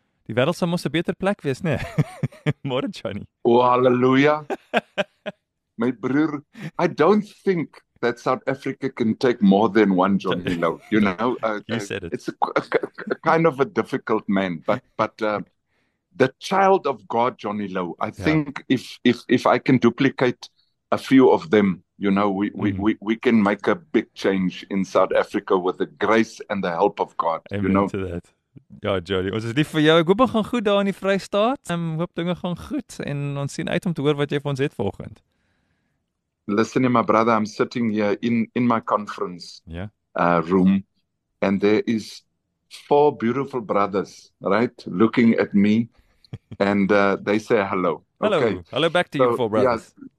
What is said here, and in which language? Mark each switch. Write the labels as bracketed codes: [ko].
[af] Die wêreld sou mos 'n beter plek wees, né? Môre Johnny. O, oh, halleluja. My broer, [en] I don't think that South Africa can take more than one Johnny Lowe, you know. You said it. It's a kind of a difficult man, but the child of God, Johnny Lowe, I think if I can duplicate a few of them, you know, we can make a big change in South Africa with the grace and the help of God. Amen, you know? To that. [af] Ja, Johnny, ons is lief vir jou. Ek hoop dit gaan goed daar in die Vrystaat. Hoop dinge gaan goed en ons sien uit om te hoor wat jy vir ons het volgende. [en] Listen, my brother, I'm sitting here in my conference room, and there is four beautiful brothers, right, looking at me, and they say hello. Hello, okay. Hello back to so, you four brothers.